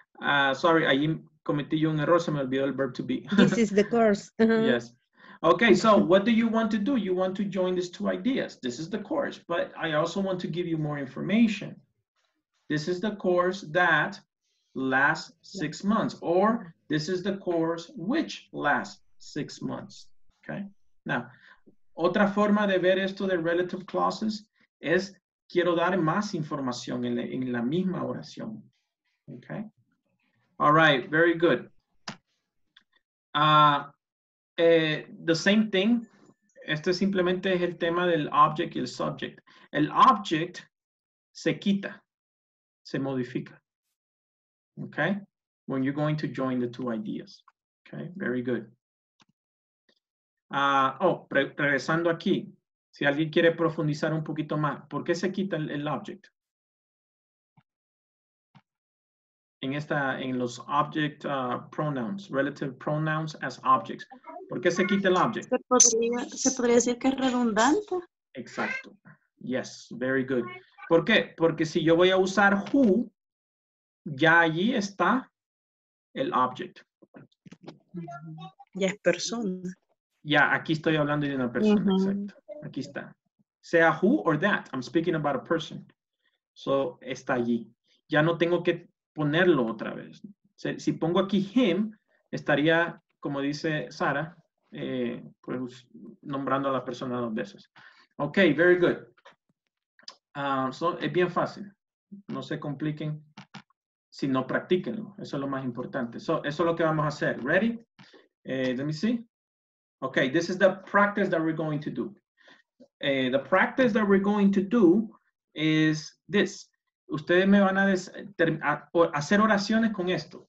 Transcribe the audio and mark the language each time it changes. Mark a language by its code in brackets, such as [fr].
[es] Sorry, ahí cometí yo un error, se me olvidó el verb to be. [en] This is the course. Yes. Okay, so what do you want to do? You want to join these two ideas. This is the course, but I also want to give you more information. This is the course that lasts 6 months, or this is the course which lasts 6 months, okay? [es] Now, otra forma de ver esto de relative clauses es quiero dar más información en la misma oración, okay? [en] All right, very good. The same thing, [es] este simplemente es el tema del object y el subject. El object se quita, se modifica. Okay? [en] When you're going to join the two ideas. Okay? Very good. [es] Regresando aquí, si alguien quiere profundizar un poquito más, ¿por qué se quita el object? En los object pronouns, relative pronouns as objects. ¿Por qué se quita el object? Se podría decir que es redundante. Exacto. [en] Yes, very good. [es] ¿Por qué? Porque si yo voy a usar who, ya allí está el object. Ya es persona. Ya, aquí estoy hablando de una persona. Uh-huh. Exacto. Aquí está. [en] Sea who or that, I'm speaking about a person. [es] So, está allí. Ya no tengo que ponerlo otra vez. Si pongo aquí him, estaría, como dice Sara, pues nombrando a la persona dos veces. [en] Ok, very good. [es] So, es bien fácil. No se compliquen. Si no, practíquenlo. Eso es lo más importante. So, eso es lo que vamos a hacer. [en] Ready? Let me see. Okay, this is the practice that we're going to do. The practice that we're going to do is this. [es] Ustedes me van a hacer oraciones con esto.